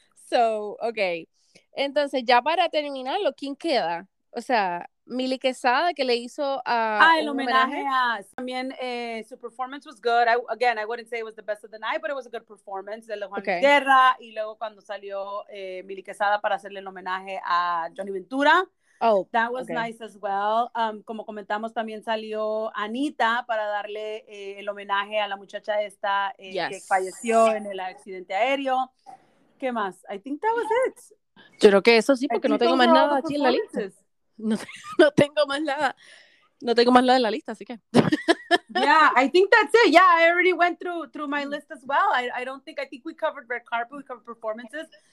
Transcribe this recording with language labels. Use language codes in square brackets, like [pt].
[es] So, okay. Entonces, ya para terminarlo, ¿quién queda? O sea, Milly Quesada, que le hizo el homenaje. También, su [en] performance was good. I wouldn't say it was the best of the night, but it was a good performance. De Juan Guerra. [es] Y luego cuando salió Milly Quesada para hacerle el homenaje a Johnny Ventura. [en] Oh, that was nice as well. [es] Como comentamos, también salió Anita para darle el homenaje a la muchacha esta que falleció en el accidente aéreo. ¿Qué más? [en] I think that was it. [es] Yo creo que eso sí, porque no tengo más nada aquí en la lista. No tengo más nada en la lista, así que. [en] Yeah, I think that's it. Yeah, I already went through my list as well. I think we covered red carpet, we covered performances.